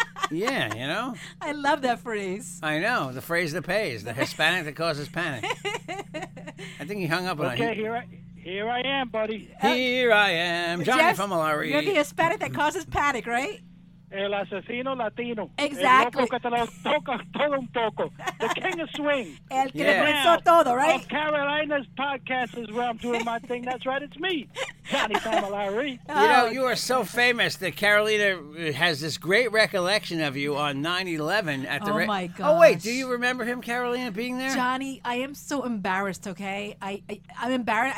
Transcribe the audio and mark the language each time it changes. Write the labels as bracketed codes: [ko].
[en] Yeah, you know? I love that phrase. I know. The phrase that pays. The Hispanic that causes panic. I think he hung up on it. Okay, here I... Here I am, buddy. Here I am, Johnny Famolari. You're the Hispanic that causes panic, right? [es] El asesino latino. [en] Exactly. [es] El loco que te lo toca todo un poco. [en] The king of swing. [es] El que lo comenzó todo, [en] right? Of Carolina's podcast is where I'm doing my thing. That's right. It's me, Johnny Famolari. You know, you are so famous that Carolina has this great recollection of you on 9/11 at the... Oh, my gosh. Oh, wait. Do you remember him, Carolina, being there? Johnny, I am so embarrassed, okay? I'm embarrassed.